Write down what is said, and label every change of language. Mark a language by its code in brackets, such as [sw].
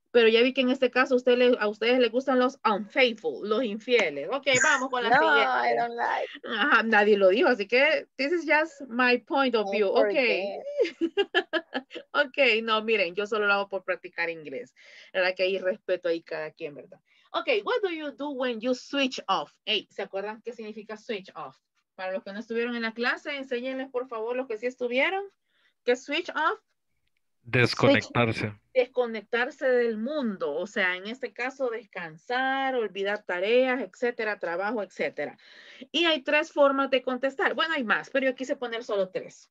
[es] Pero ya vi que en este caso a ustedes les gustan los unfaithful, los infieles. Ok, vamos con la no, siguiente. [en] No, I don't like. [es] Ajá, nadie lo dijo, así que [en] this is just my point of view. Ok. [es] Ok, no, miren, yo solo lo hago por practicar inglés. La verdad que hay respeto ahí cada quien, ¿verdad? [en] Ok, what do you do when you switch off? [es] Hey, ¿se acuerdan qué significa switch off? Para los que no estuvieron en la clase, enséñenles por favor los que sí estuvieron. ¿Qué switch off? Desconectarse. Desconectarse del mundo, o sea, en este caso descansar, olvidar tareas, etcétera, trabajo, etcétera. Y hay tres formas de contestar. Bueno, hay más, pero yo quise poner solo tres.